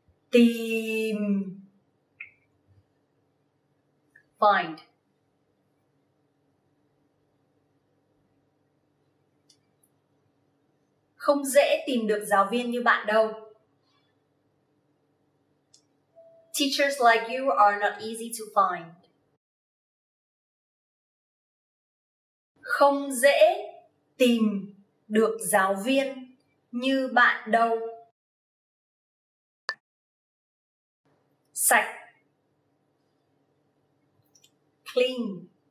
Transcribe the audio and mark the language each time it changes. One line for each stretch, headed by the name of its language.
Vietnamese: Tìm.
English: Find.
Vietnamese: Không dễ tìm được giáo viên như bạn đâu.
English: Teachers like you are not easy to find.
Vietnamese: Không dễ tìm được giáo viên như bạn đâu. Sạch.
English: Clean.